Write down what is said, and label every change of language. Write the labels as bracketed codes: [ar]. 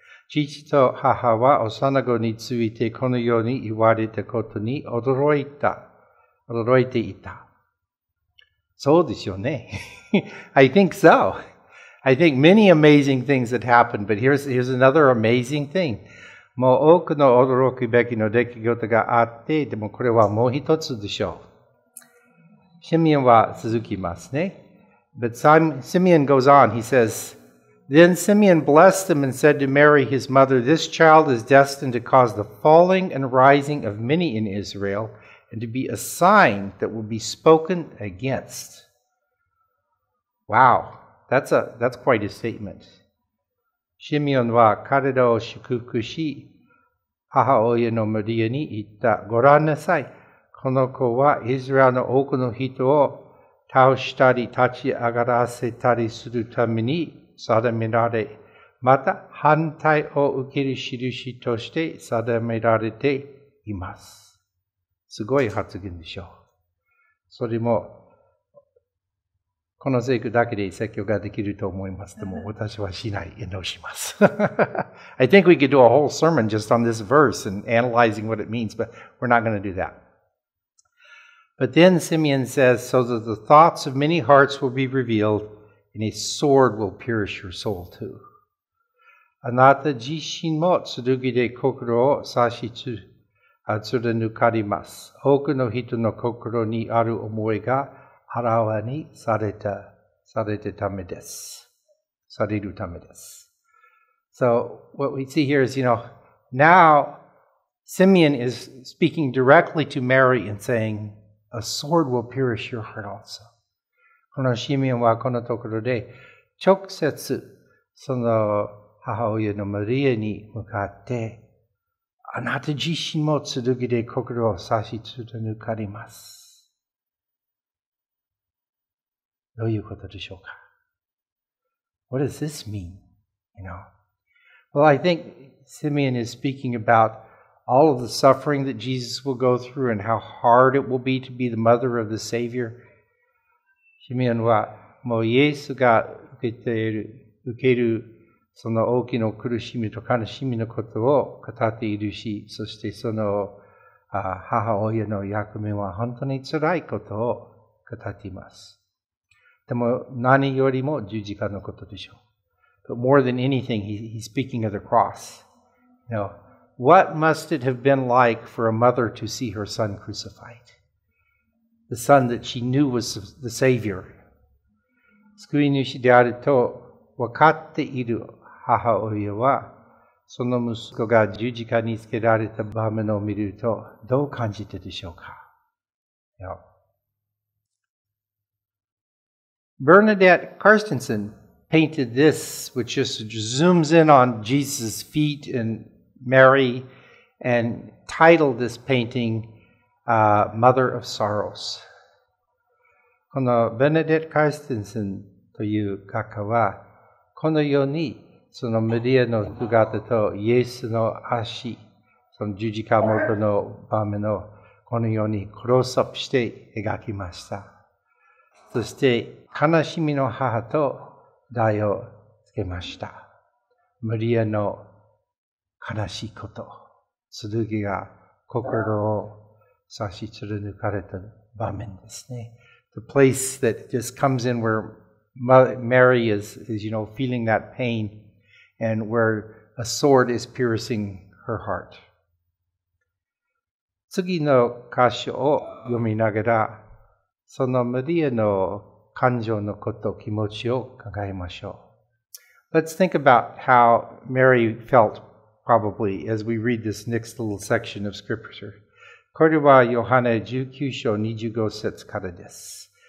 [ja] 父と母は幼子についてこのように言われたことに驚いていた。そうですよね。 [en] I think so. I think many amazing things that happened, but here's another amazing thing. [ja] もう多くの驚くべきの出来事があって、でもこれはもう一つでしょう。シミアンは続きますね。 [en] But Simeon goes on, he says,Then Simeon blessed him and said to Mary, his mother, This child is destined to cause the falling and rising of many in Israel and to be a sign that will be spoken against. Wow, that's quite a statement. [ja] Simeon は彼らを祝福し、母親のマリアに言った、ご覧なさい、この子はイスラエルの多くの人を倒したり立ち上がらせたりするために、定められ、また反対を受ける印として定められています。すごい発言でしょう。それも、この聖句だけで説教ができると思います。でも私はしない、遠慮します。 [en] I think we could do a whole sermon just on this verse and analyzing what it means, but we're not going to do that. But then Simeon says, so that the thoughts of many hearts will be revealed,And a sword will pierce your soul too. [ja] あなた自身も剣で心を刺し貫かれます。多くの人の心にある思いが腹割にされた、されてためです。されるためです。 [en] So what we see here is, you know, now Simeon is speaking directly to Mary and saying, a sword will pierce your heart also. [ja] このシミオンはこのところで直接その母親のマリアに向かってあなた自身も剣で心を刺し貫かれます。どういうことでしょうか? [en] What does this mean? You know? Well, I think Simeon is speaking about all of the suffering that Jesus will go through and how hard it will be to be the mother of the Savior. [ja] シミアンは、もうイエスが受けるその大きな苦しみと悲しみのことを語っているし、そしてその母親の役目は本当につらいことを語っています。でも何よりも十字架のことでしょう。 [en] But more than anything, he's speaking of the cross. Now, what must it have been like for a mother to see her son crucified? The son that she knew was the Savior. [ja] 救い主であると分かっている母親は、その息子が十字架につけられた場面を見ると、どう感じたでしょうか? [en] Yeah. Bernadette Carstensen painted this, which just zooms in on Jesus' feet and Mary, and titled this painting,Mother of Sorrows. [ja] このベネディット・カーステンセンという画家は、このようにそのマリアの姿とイエスの足、その十字架元の場面をこのようにクロスアップして描きました。そして悲しみの母と題をつけました。マリアの悲しいこと、剣が心を刺し貫かれた場面ですね。 [en] The place that just comes in where Mary is, you know, feeling that pain and where a sword is piercing her heart. [ja] 次の箇所を読みながら、そのマリアの感情のこと、気持ちを考えましょう。 [en] Let's think about how Mary felt, probably, as we read this next little section of Scripture. [ja] これはヨハネ19章25節からです。